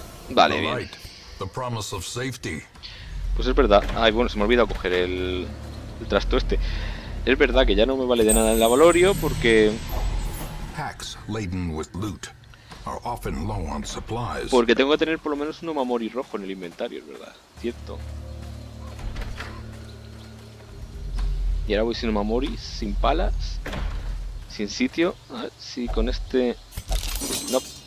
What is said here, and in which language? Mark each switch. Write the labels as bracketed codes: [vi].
[es] Vale, bien. [en] The promise of safety. [es] Pues es verdad. Ay, bueno, se me olvida coger el trasto este. Es verdad que ya no me vale de nada el lavalorio porque. [en] Packs laden with loot are often low on supplies. [es] Porque tengo que tener por lo menos un Omamori rojo en el inventario, es verdad. Cierto. Y ahora voy sin Omamori, sin palas, sin sitio. A ver si con este. No.